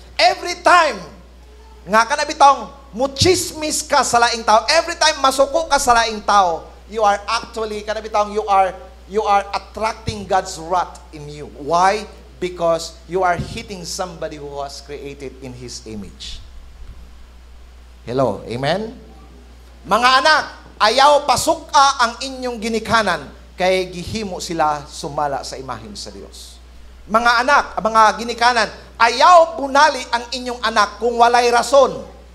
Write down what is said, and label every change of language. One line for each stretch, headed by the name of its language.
English: Every time
Cebuano: nga kanabitong muchismis ka sa laing tao,
English: every time
Cebuano: masuko ka sa laing tao,
English: you are actually kanabitong you are attracting God's wrath in you. Why? Because you are hitting somebody who was created in His image. Hello, amen.
Cebuano: Mga anak, ayaw pasuka ang inyong ginikanan kay gihimo sila sumala sa imahin sa Dios. Mga anak, mga ginikanan, ayaw bunali ang inyong anak kung walay rason.